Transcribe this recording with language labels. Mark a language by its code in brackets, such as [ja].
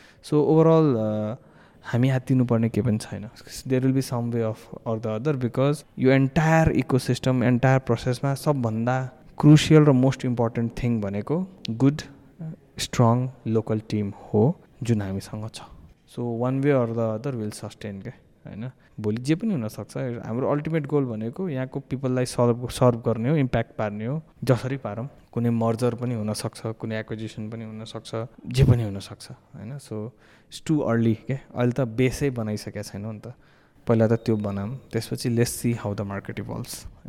[ne] So overall हामी हात्तिनुपर्ने केही पनि छैन. [en] there will be some way of or the other because यो entire ecosystem entire प्रोसेसमा सबभन्दा crucial र most important thing भनेको good strong local team हो [ne] जुन हामीसँग छ. [en] so one way or the other will sustain [ne] के होइन. भोलि जे पनि हुनसक्छ हाम्रो अल्टिमेट गोल भनेको यहाँको पिपललाई सर्भ गर्ने हो इम्प्याक्ट पार्ने हो जसरी पारौँ. कुनै मर्जर पनि हुनसक्छ कुनै एक्विजिसन पनि हुनसक्छ जे पनि हुनसक्छ होइन. [en] so it's too early [ne] के अहिले त बेसै बनाइसकेको छैनौँ नि त. पहिला त त्यो बनाऊँ त्यसपछि [en] Let's see how the market evolves.